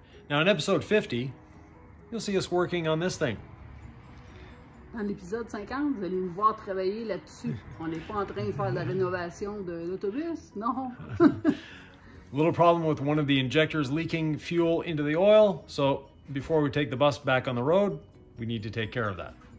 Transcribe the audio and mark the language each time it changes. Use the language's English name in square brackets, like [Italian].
[English] Now in episode 50, you'll see us working on this thing. [French] Dans l'épisode 50, vous allez nous voir travailler là-dessus. On n'est pas en train de faire la rénovation de l'autobus, non. [English] Little problem with one of the injectors leaking fuel into the oil. So before we take the bus back on the road, we need to take care of that.